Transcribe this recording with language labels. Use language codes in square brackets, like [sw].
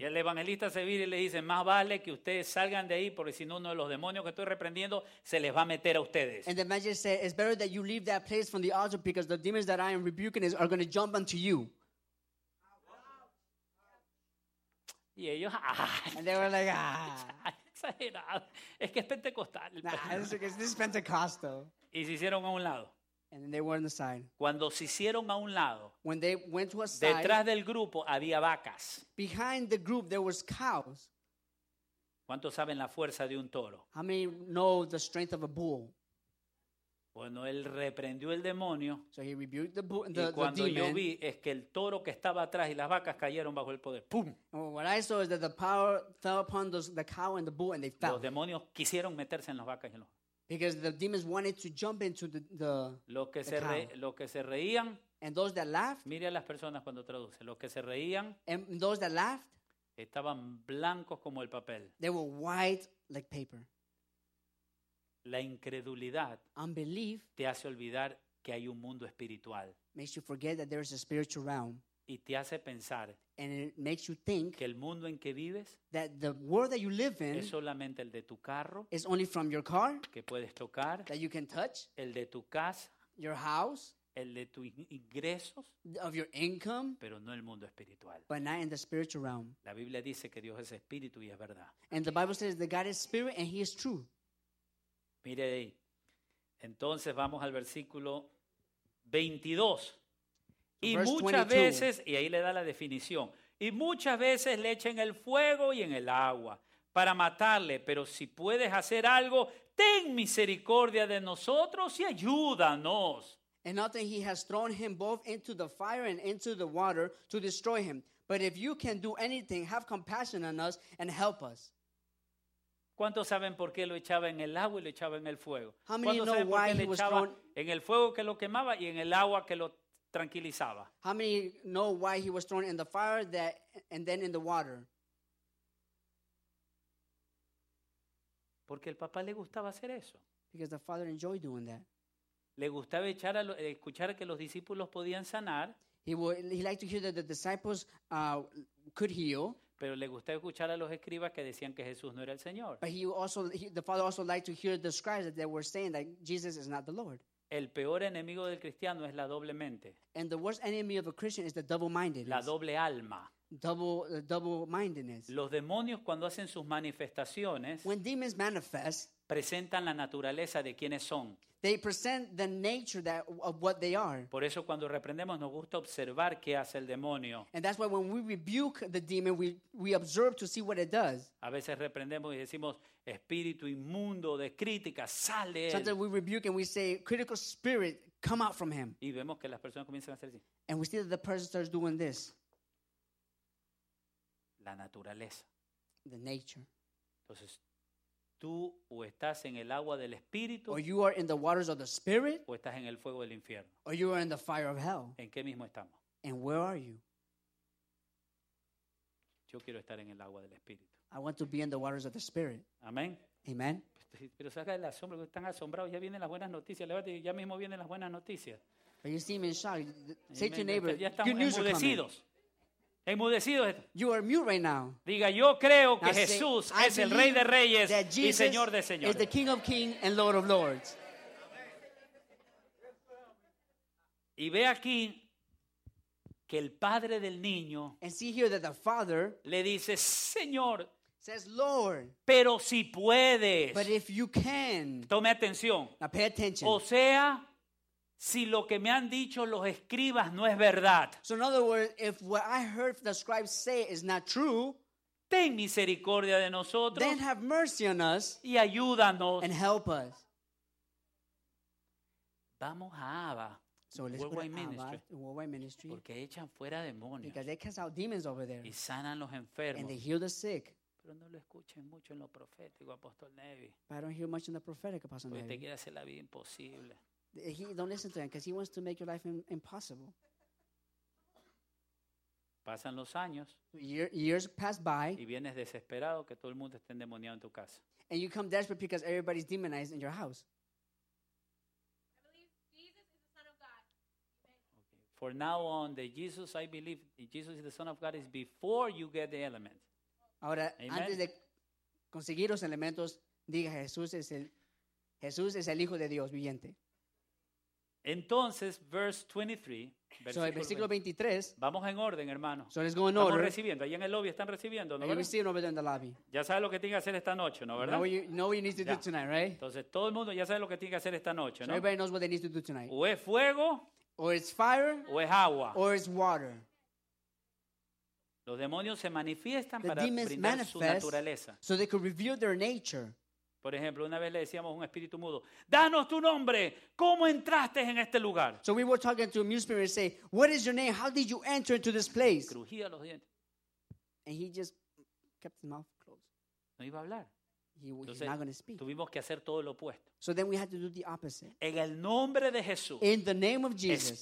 [es] Y el evangelista se vira y le dice, más vale que ustedes salgan de ahí porque si no uno de los demonios que estoy reprendiendo se les va a meter a ustedes. [en] And the magistrate said, it's better that you leave that place from the altar because the demons that I am rebuking is, are going to jump onto you. [es] Y ellos, [en] and they were like, ah. [es] Es que es pentecostal. [en] This is Pentecostal. [es] Y se hicieron a un lado. [en] And they were on the side. [es] Cuando se hicieron a un lado, [en] when they went to a side, [es] detrás del grupo había vacas. [en] Behind the group there was cows. [es] ¿Cuántos saben la fuerza de un toro? [en] How many know the strength of a bull? [es] Bueno, él reprendió el demonio. [en] So he rebuked the [es] y cuando [en] the demon. [es] Yo vi es que el toro que estaba atrás y las vacas cayeron bajo el poder. ¡Pum! [en] Well, what I saw is that the power fell upon the cow and the bull and they fell. [es] Los demonios quisieron meterse en las vacas y en los. [en] Because the demons wanted to jump into the [es] los que [en] the [es] se [en] cow. [es] Los que se reían. [en] And those that laughed. [es] Mire a las personas cuando traduce. Los que se reían. [en] And those that laughed. [es] Estaban blancos como el papel. [en] They were white like paper. [es] La incredulidad [en] unbelief [es] te hace olvidar que hay un mundo espiritual. [en] Makes you forget that there is a spiritual realm. [es] Y te hace pensar [en] and it makes you think [es] que el mundo en que vives [en] that the world that you live in [es] es solamente el de tu carro, [en] is only from your car, [es] que puedes tocar, [en] that you can touch, [es] el de tu casa, [en] your house, [es] el de tus ingresos, [en] of your income, [es] pero no el mundo espiritual. [en] But not in the spiritual realm. [es] La Biblia dice que Dios es espíritu y es verdad. [en] And the Bible says that God is spirit and he is true. [es] Mire ahí. Entonces vamos al versículo 22. Y [en] verse [es] muchas Veces, y ahí le da la definición, y muchas veces le echan el fuego y en el agua para matarle, pero si puedes hacer algo, ten misericordia de nosotros y ayúdanos. [en] And often he has thrown him both into the fire and into the water to destroy him. But if you can do anything, have compassion on us and help us. [es] ¿Cuántos saben por qué lo echaba en el agua y lo echaba en el fuego? [en] How many know why he was thrown? [es] Lo echaba en el fuego que lo quemaba y en el agua que lo tranquilizaba? [en] How many know why he was thrown in the fire that and then in the water? [es] Porque el papá le gustaba hacer eso. [en] Because the father enjoyed doing that. [es] Le gustaba echar a lo, escuchar que los discípulos podían sanar. [en] He liked to hear that the disciples could heal. [es] Pero le gustaba escuchar a los escribas que decían que Jesús no era el Señor. [en] But the father also liked to hear the scribes that they were saying that Jesus is not the Lord. [es] El peor enemigo del cristiano es la doble mente. [en] And the worst enemy of a Christian is the double-mindedness. [es] La doble alma. [en] Double-mindedness. [es] Los demonios cuando hacen sus manifestaciones. [en] When demons manifest. [es] Presentan la naturaleza de quienes son. [en] They present the nature that, of what they are. [es] Por eso cuando reprendemos nos gusta observar qué hace el demonio. [en] And that's why when we rebuke the demon, we observe to see what it does. [es] A veces reprendemos y decimos, espíritu inmundo de crítica, sale. [en] Sometimes we rebuke and we say, critical spirit, come out from him. [es] Y vemos que las personas comienzan a hacer así. [en] And we see that the person starts doing this. [es] La naturaleza. [en] The nature. [es] Entonces, tú o estás en el agua del espíritu, [en] or you are in the waters of the spirit, [es] o estás en el fuego del infierno, [en] or you are in the fire of hell. [es] ¿En qué mismo estamos? [en] And where are you? [es] Yo quiero estar en el agua del espíritu. [en] I want to be in the waters of the spirit. [es] Amén. [en] Amen. [es] Pero saca el asombro, que están asombrados, ya vienen las buenas noticias. Levante, ya mismo vienen las buenas noticias. [en] But you seem in shock. Say to your neighbor, [es] ya estamos enmudecidos. Enmudecido. [en] You are mute right now. [es] Diga, yo creo que Jesús es el Rey de Reyes y Señor de Señores. [en] Is the King of Kings and Lord of Lords. [es] Y ve aquí que el padre del niño, [en] and see here that the father, [es] le dice, Señor, [en] says, Lord, [es] pero si puedes, [en] but if you can, [es] tome atención. [en] Now pay attention. [es] O sea, si lo que me han dicho los escribas no es verdad. [en] So in other words, if what I heard the scribes say is not true, [es] ten misericordia de nosotros, [en] then have mercy on us, [es] y ayúdanos, [en] and help us. [es] Vamos a Abba. [en] So let's go to Worldwide Ministry. [es] Porque echan fuera demonios. [en] Because they cast out demons over there. [es] Y sanan los enfermos. [en] And they heal the sick. [es] Pero no lo escuchen mucho en lo profético, Apóstol Nevi. [en] But I don't hear much in the prophetic, Apostle Nevi. [es] Porque te quiere hacer la vida imposible. [en] He don't listen to him because he wants to make your life impossible. [es] Pasan los años. [en] Years pass by. [es] Y vienes desesperado que todo el mundo esté endemoniado en tu casa. [en] And you come desperate because everybody's demonized in your house. I believe Jesus is the Son of God. Okay. For now on, the Jesus I believe, Jesus is the Son of God is before you get the element. [es] Ahora, amen. Antes de conseguir los elementos, diga Jesús es el Hijo de Dios viviente. Entonces, verse 23. [en] So, versículo 23. [es] Vamos en orden, hermano. [en] So, let's go in [es] estamos [en] order. [es] Recibiendo. Ahí en el lobby están recibiendo, ¿no? [en] Over there in the lobby. [es] Ya sabes lo que tiene que hacer esta noche, ¿no? ¿Verdad? [en] Know what you need to do tonight, right? [es] Entonces, todo el mundo ya sabe lo que tiene que hacer esta noche, ¿no? [en] So, everybody knows what they need to do tonight. [es] O es fuego. [en] Or it's fire. [es] O es agua. [en] Or it's water. [es] Los demonios se manifiestan para brindar su naturaleza. [en] So they could reveal their nature. [es] Por ejemplo, una vez le decíamos a un espíritu mudo, danos tu nombre, ¿cómo entraste en este lugar? [en] So we were talking to a mute spirit and say, what is your name? How did you enter into this place? [es] Crujía los dientes. [en] And he just kept his mouth closed. [es] No iba a hablar. [en] He's not going to speak. [es] Tuvimos que hacer todo lo opuesto. [en] So then we had to do the opposite. [es] En el nombre de Jesús. [en] In the name of Jesus.